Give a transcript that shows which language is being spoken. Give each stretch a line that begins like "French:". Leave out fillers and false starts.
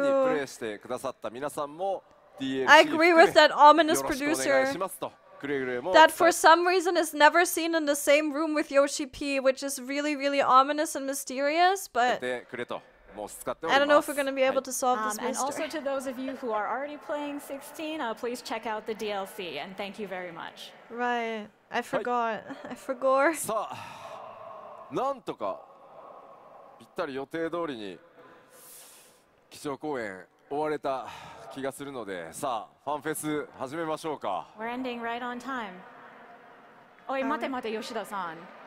Japanese: すでにプレイしてくださった皆さんも DLC...
English: I agree with that ominous producer.
Japanese: よろしくお願いしますと。くれぐれも。
English: That for some reason is never seen in the same room with Yoshi P, which is really, really ominous and mysterious, but...
Japanese: てくれと。
English: I don't know if we're going to be able to solve this mystery. And also to those of you who are already playing 16, please check out the DLC and thank you very much. Right. I forgot. I forgot.
Japanese: さあ、なんとかぴったり予定通りに基調講演終われた気がするので、さあ、ファンフェス始めましょうか。
English: We're ending right on time.
Japanese: おい、待て待て、吉田さん。